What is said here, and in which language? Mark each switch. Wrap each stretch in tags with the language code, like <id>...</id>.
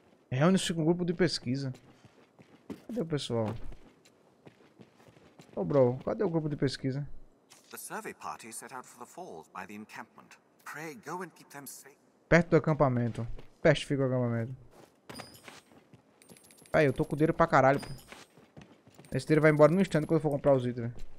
<pt>Reúne-se com um grupo de pesquisa. Cadê o pessoal? Ô, bro, cadê o grupo de pesquisa?</pt> <en>The survey party set out for the falls by the encampment. Pray go and keep them safe.</en> <pt>Perto do acampamento. Peste fica o acampamento. Aí, eu tô com dinheiro pra caralho, pô. Esse dinheiro vai embora no instante quando eu for comprar os itens, velho.</pt>